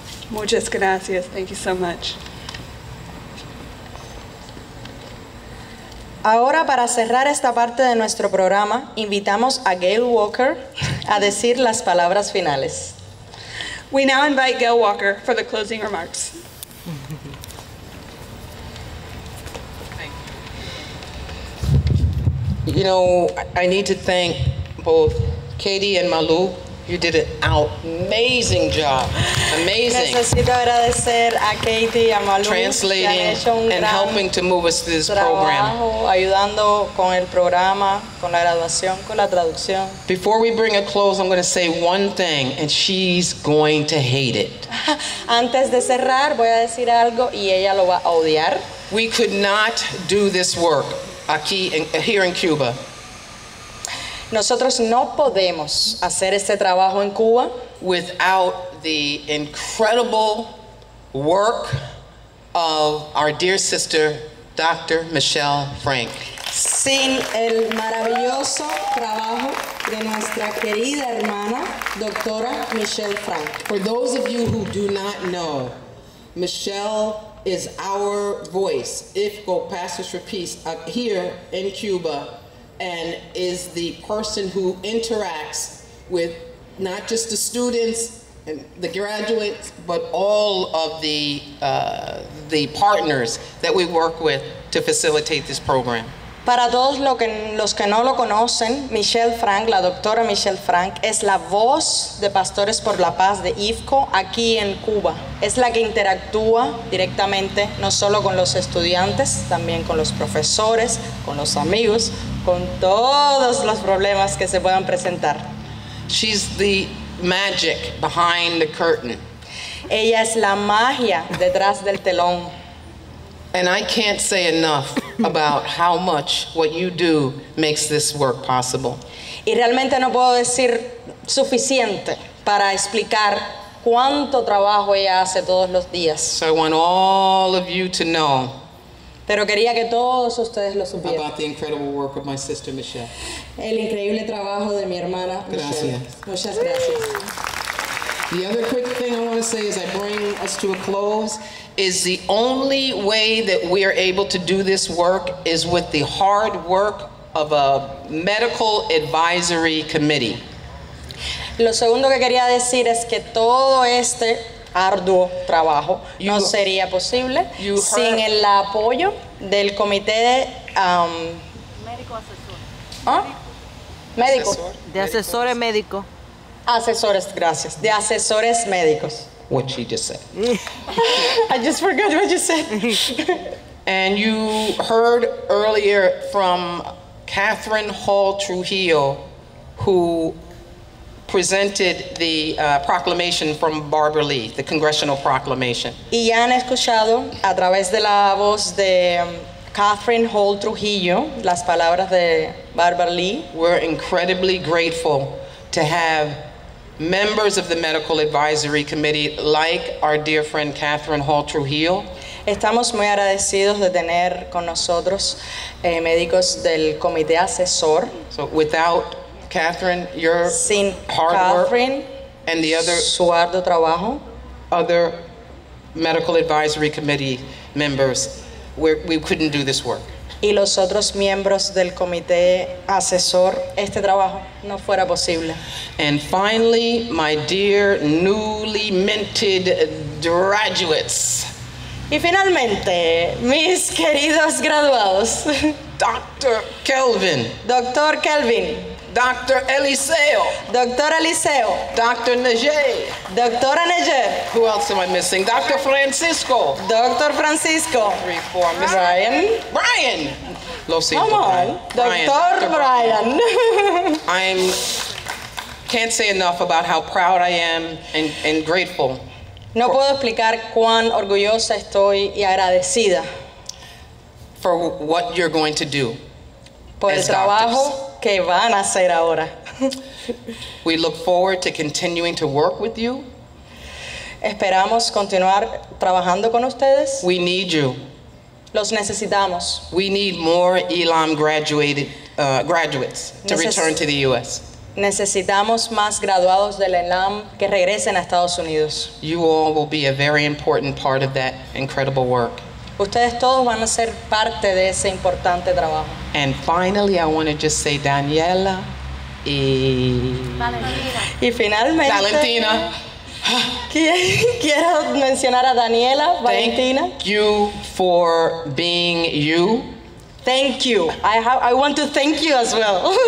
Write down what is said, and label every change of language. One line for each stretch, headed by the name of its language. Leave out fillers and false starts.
Spanish: Muchas gracias.
English: Thank you so much.
Spanish: Ahora, para cerrar esta parte de nuestro programa, invitamos a Gail Walker a decir las palabras finales.
English: We now invite Gail Walker for the closing remarks. You know, I need to thank both Katie and Malou. You did an amazing job. Amazing.
Spanish: Necesito agradecer a Katie y a Malou.
English: Translating and helping to move us to this
Spanish: trabajo,
English: program.
Spanish: Ayudando con el programa, con la graduación, con la traducción.
English: Before we bring a close, I'm going to say one thing, and she's going to hate it.
Spanish: Antes de cerrar, voy a decir algo y ella lo va a odiar.
English: We could not do this work aquí, here in Cuba.
Spanish: Nosotros no podemos hacer este trabajo en Cuba
English: without the incredible work of our dear sister, Dr. Michelle Frank.
Spanish: Sin el maravilloso trabajo de nuestra querida hermana, Doctora Michelle Frank.
English: For those of you who do not know, Michelle is our voice, IFCO, Pastors for Peace, here in Cuba, and is the person who interacts with not just the students and the graduates, but all of the partners that we work with to facilitate this program.
Spanish: Para todos los que no lo conocen, Michelle Frank, la doctora Michelle Frank, es la voz de Pastores por la Paz de IFCO aquí en Cuba. Es la que interactúa directamente no solo con los estudiantes, también con los profesores, con los amigos, con todos los problemas que se puedan presentar.
English: She's the magic behind the curtain.
Spanish: Ella es la magia detrás del telón.
English: And I can't say enough about how much what you do makes this work possible.
Spanish: Y realmente no puedo decir suficiente para explicar cuánto trabajo ella hace todos los días.
English: So I want all of you to know.
Spanish: Pero quería que todos ustedes lo supieran.
English: About the incredible work of my sister Michelle.
Spanish: El increíble trabajo de mi hermana Michelle. Gracias. Muchas gracias.
English: The other quick thing I want to say as I bring us to a close is the only way that we are able to do this work is with the hard work of a medical advisory committee.
Spanish: Lo segundo que quería decir es que todo este arduo trabajo no sería posible sin el apoyo del comité de médico asesor. ¿Ah? Médico. De asesores médico. Asesores, gracias. De asesores médicos.
English: What she just said. I just forgot what you said. And you heard earlier from Catherine Hall Trujillo, who presented the proclamation from Barbara Lee, the congressional proclamation.
Spanish: Y ya han escuchado a través de la voz de Catherine Hall Trujillo las palabras de Barbara Lee.
English: We're incredibly grateful to have members of the Medical Advisory Committee, like our dear friend Catherine Hall Trujillo.
Spanish: Estamos muy agradecidos de tener con nosotros médicos del comité asesor.
English: So without Catherine, your
Spanish: Sin
English: hard
Spanish: Catherine,
English: work and the other
Spanish: su arduo trabajo,
English: other Medical Advisory Committee members, we couldn't do this work.
Spanish: Y los otros miembros del comité asesor, este trabajo no fuera posible.
English: And finally, my dear newly minted graduates.
Spanish: Y finalmente, mis queridos graduados.
English: Dr. Kelvin.
Spanish: Dr. Kelvin.
English: Dr. Eliseo.
Spanish: Dr. Eliseo.
English: Dr. Neger.
Spanish: Dr. Neger.
English: Who else am I missing? Dr. Francisco.
Spanish: Dr. Francisco.
English: Three, four. Brian.
Spanish: Brian. Lo siento.
English: Come on. Dr. Brian. I'm can't say enough about how proud I am and grateful.
Spanish: No puedo explicar cuán orgullosa estoy y agradecida.
English: For what you're going to do.
Spanish: Por el trabajo que van a hacer ahora.
English: We look forward to continuing to work with you.
Spanish: Esperamos continuar trabajando con ustedes.
English: We need you.
Spanish: Los necesitamos.
English: We need more ELAM graduates to return to the U.S.
Spanish: Necesitamos más graduados del ELAM que regresen a Estados Unidos.
English: You all will be a very important part of that incredible work.
Spanish: Ustedes todos van a ser parte de ese importante trabajo.
English: And finally, I want to just say Daniela y Valentina.
Spanish: Y finalmente Valentina. Quiero mencionar a Daniela, Valentina.
English: Thank you for being you. Thank you. I want to thank you as well.